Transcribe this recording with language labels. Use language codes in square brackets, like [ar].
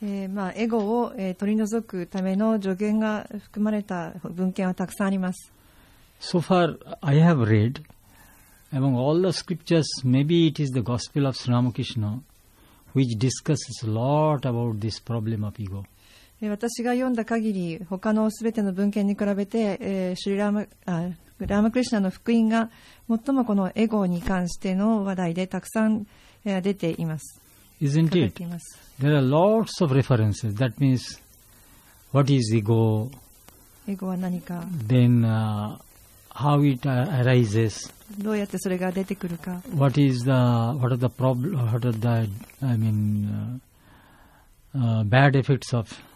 [ja] まあ、エゴを、取り除くための助言が含まれた文献はたくさんあります。 [en] So far, I have read among all the scriptures, maybe it is the Gospel of Sri Ramakrishna, which discusses a lot about this problem of ego. [ja] 私が読んだ限り、他のすべての文献に比べて、シュリ・ラーマクリシュナの福音が最もこのエゴに関しての話題でたくさん出ています。 [en] Isn't it? There are lots of references. That means, what is ego? [ja] エゴは何か。 [en] Then, how it arises? [ja] どうやってそれが出てくるか。 [en] What is the, what are the problem, what are the, I mean, bad effects of